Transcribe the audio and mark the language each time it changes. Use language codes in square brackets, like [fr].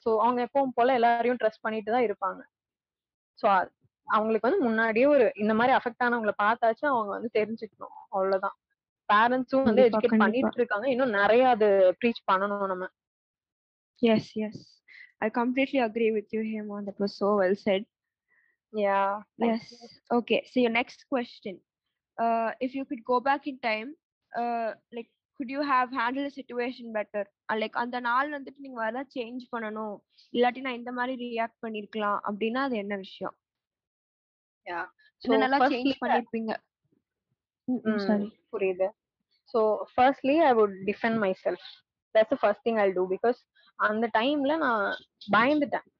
[ta] So அவங்க எப்பவும் போல எல்லாரையும் ட்ரஸ்ட் பண்ணிட்டு தான் இருப்பாங்க. ஸோ அவங்களுக்கு வந்து முன்னாடியே ஒரு இந்த மாதிரி அஃபெக்ட் ஆனவங்களை பார்த்தாச்சும் அவங்க வந்து தெரிஞ்சுக்கணும், அவ்வளவுதான். பேரண்ட்ஸும் வந்து எஜுகேட் பண்ணிட்டு இருக்காங்க, இன்னும் நிறைய அது ப்ரீச் பண்ணணும் நம்ம. [en] Yes yes I completely agree with you Hema, that was so well said. Yeah. Yes. You. Okay. So your next question, if you could go back in time, like could you have handled the situation better? [ta] Like அந்த நாள் வந்துட்டு நீங்க வர change பண்ணனும் இல்லாட்டி நான் இந்த மாதிரி ரியாக்ட் பண்ணிருக்கலாம் அப்படின்னா அது என்ன விஷயம்? [en] Yeah. [ta] So நல்லா சேஞ்ச் பண்ணிருப்பீங்க. [en] Sorry. [ta] புரியுது. [en] So firstly, I would defend myself. That's the first thing I'll do because [ta] அந்த டைம்ல நான் பயந்துட்டேன்.